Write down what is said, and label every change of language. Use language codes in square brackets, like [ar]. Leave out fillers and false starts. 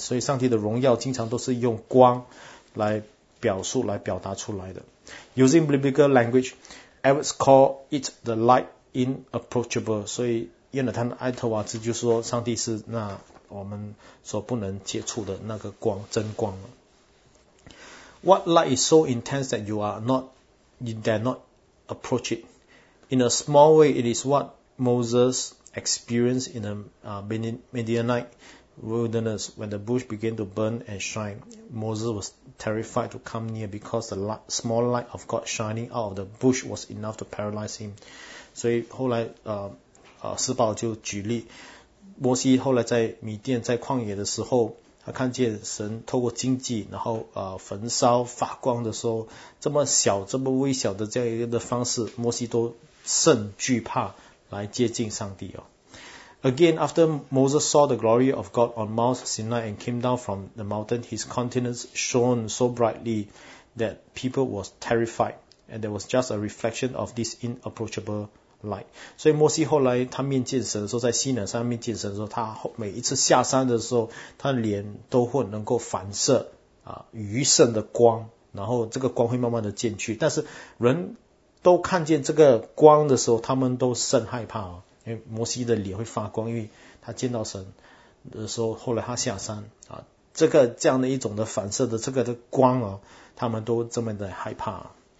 [zh] 所以上帝的荣耀经常都是用光来表述、来表达出来的。 [en] Using biblical language, Edwards call it the light inapproachable. [zh] 所以约拿丹·艾特瓦兹就说上帝是那我们所不能接触的那个光、真光。 [en] What light is so intense that you dare not approach it. In a small way, it is what Moses experienced in the Midianite wilderness when the bush began to burn and shine. Moses was terrified to come near because the small light of God shining out of the bush was enough to paralyze him. [zh] 所以后来斯巴就举例，摩西后来在米甸在旷野的时候，他看见神透过荆棘然后焚烧发光的时候，这么小这么微小的这样一个的方式，摩西都甚惧怕来接近上帝。 [en] Again, after Moses saw the glory of God on Mount Sinai and came down from the mountain, his countenance shone so brightly that people were terrified and there was just a reflection of this inapproachable light。 [zh] 所以摩西后来他面见神的时候，在西乃山面见神的时候，他每一次下山的时候，他的脸都会能够反射余剩的光，然后这个光会慢慢的渐去，但是人都看见这个光的时候，他们都甚害怕，因为摩西的脸会发光，因为他见到神的时候，后来他下山这个这样的一种的反射的这个的光他们都这么的害怕。